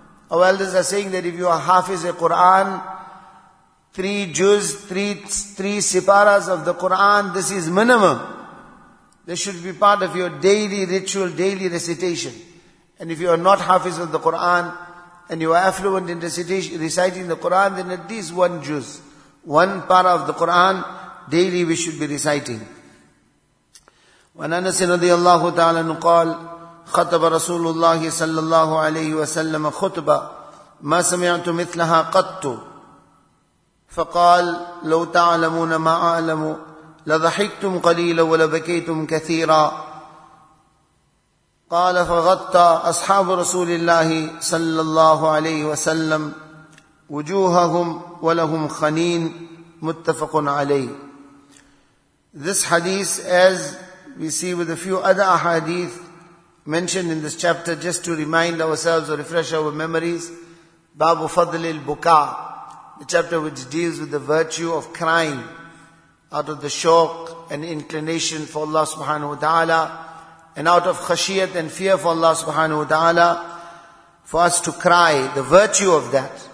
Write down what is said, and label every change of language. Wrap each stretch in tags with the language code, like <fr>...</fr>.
<en>Our elders are saying that if you are hafiz a Quran, three siparas of the Quran, this is minimum. This should be part of your daily ritual, daily recitation. And if you are not hafiz of the Quran, and you are affluent in reciting the Quran, then at least one juz, one para of the Quran, daily we should be reciting.</en> <ar>وعن أنس رضي الله تعالى عنه قال خطب رسول الله صلى الله عليه وسلم خطبة ما سمعت مثلها قط فقال لو تعلمون ما أعلم لضحكتم قليلا ولبكيتم كثيرا قال فغطى أصحاب رسول الله صلى الله عليه وسلم وجوههم ولهم خنين متفق عليه.</ar> <en>This hadith, as we see with a few other ahadith mentioned in this chapter, just to remind ourselves or refresh our memories, Babu Fadlil Buka, the chapter which deals with the virtue of crying out of the shock and inclination for Allah subhanahu wa ta'ala, and out of khashiyat and fear for Allah subhanahu wa ta'ala, for us to cry, the virtue of that.</en>